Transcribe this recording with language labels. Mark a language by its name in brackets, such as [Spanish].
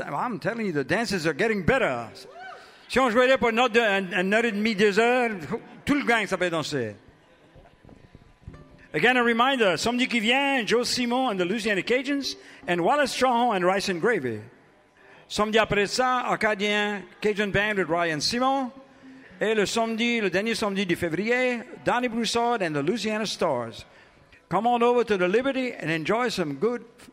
[English] I'm telling you, the dances are getting better. [French] Si on jouait pour une heure et demie, deux heures, tout le gang savait danser. [English] Again, a reminder, [French] Somme qui vient, [English] Joe Simon and the Louisiana Cajuns, and Wallace Strong and Rice and Gravy. [French] Samedi après ça, Acadien, Cajun Band with Ryan Simon. Et le samedi, le dernier samedi du février, [English] Donnie Broussard and the Louisiana Stars. Come on over to the Liberty and enjoy some good